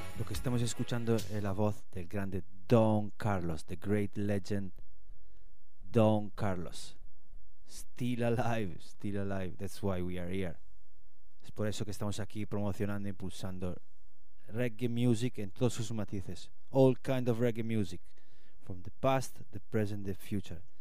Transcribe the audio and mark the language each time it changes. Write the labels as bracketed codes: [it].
[es] Estamos escuchando la voz del grande Don Carlos, [en] the great legend Don Carlos. Still alive, still alive, that's why we are here. [es] Es por eso que estamos aquí promocionando, impulsando [en] reggae music [es] en todos sus matices. [en] All kind of reggae music, from the past, the present, the future.